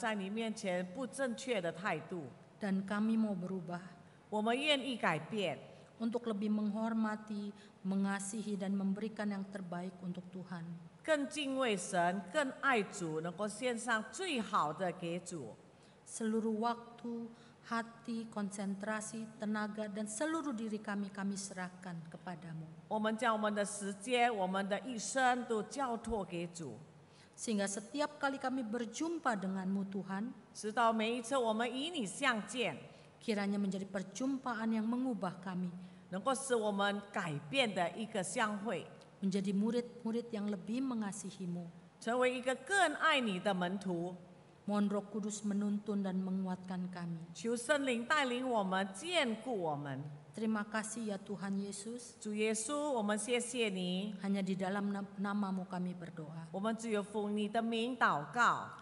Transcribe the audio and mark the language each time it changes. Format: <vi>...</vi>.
<zh>主啊，我们求你赦免我们在你面前不正确的态度。</zh> <id>Dan kami mau berubah.</id> <zh>我们愿意改变。</zh> <id>Untuk lebih menghormati, mengasihi dan memberikan yang terbaik untuk Tuhan.</id> <zh>更敬畏神, 更爱主, 能够献上最好的给主。</zh> <id>Seluruh waktu, hati, konsentrasi, tenaga dan seluruh diri kami, kami serahkan kepadamu.</id> <zh>我们将我们的时间, 我们的一生, 都交托给主。</zh> <id>Sehingga setiap kali kami berjumpa denganmu Tuhan,</id> <zh>直到每一次我们与你相见,</zh> <id>kiranya menjadi perjumpaan yang mengubah kami,</id> <zh>能够使我们改变的一个相会,</zh> <id>menjadi murid-murid yang lebih mengasihimu,</id> <zh>成为一个更爱你的门徒。</zh> <id>Mohon Roh Kudus menuntun dan menguatkan kami.</id> <zh>求圣灵带领我们, 坚固我们。</zh> <id>Terima kasih ya Tuhan Yesus.</id> <zh>主耶稣, 我们谢谢你。</zh> <id>Hanya di dalam namamu kami berdoa.</id> <zh>我们只有奉你的名祷告。</zh>